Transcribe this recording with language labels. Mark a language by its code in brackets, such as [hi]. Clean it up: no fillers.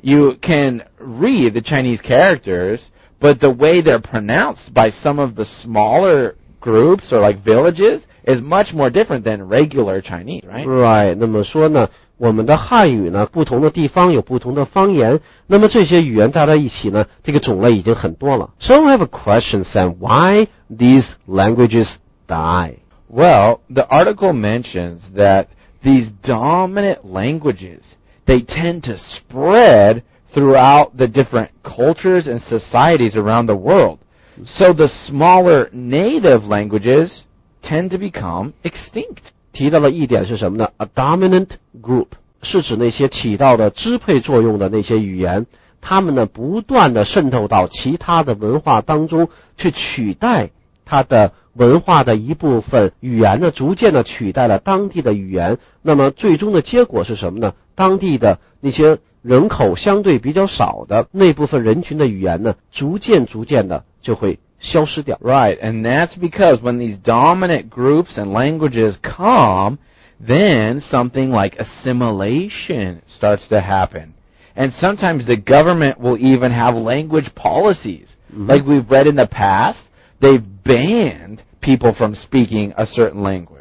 [en] you can read the Chinese characters, but the way they're pronounced by some of the smaller groups or like villages is much more different than regular Chinese, right? Right. [zh] 那么说呢，我们的汉语呢，不同的地方有不同的方言，那么这些语言加在一起呢，这个种类已经很多了。 [en] So, I have a question, Sam. Why these languages die? Well, the article mentions thatThese dominant languages, they tend to spread throughout the different cultures and societies around the world. So the smaller native languages tend to become extinct. [zh] 提到了一点是什么呢?A dominant group 是指那些起到的支配作用的那些语言，他们呢不断地渗透到其他的文化当中去取代它的文化的一部分，语言呢逐渐的取代了当地的语言，那么最终的结果是什么呢？当地的那些人口相对比较少的那部分人群的语言呢，逐渐的就会消失掉。 [en] Right, and that's because when these dominant groups and languages come, then something like assimilation starts to happen. And sometimes the government will even have language policies. Like we've read in the past, they've banned people from speaking a certain language.